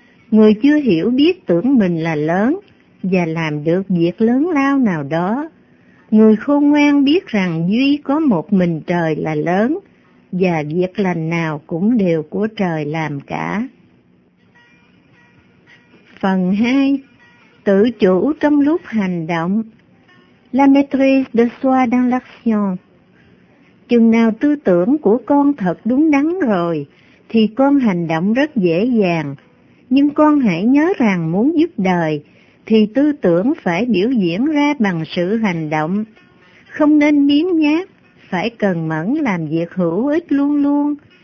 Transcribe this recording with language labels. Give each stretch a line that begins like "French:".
Vietnamese: Người chưa hiểu biết tưởng mình là lớn và làm được việc lớn lao nào đó. Người khôn ngoan biết rằng duy có một mình trời là lớn, và việc lành nào cũng đều của trời làm cả. Phần 2. Tự chủ trong lúc hành động.
French: La maîtrise de soi dans l'action.
Vietnamese: Chừng nào tư tưởng của con thật đúng đắn rồi, thì con hành động rất dễ dàng. Nhưng con hãy nhớ rằng muốn giúp đời, thì tư tưởng phải biểu diễn ra bằng sự hành động. Không nên biếng nhác. Phải cần mẫn làm việc hữu ích luôn luôn.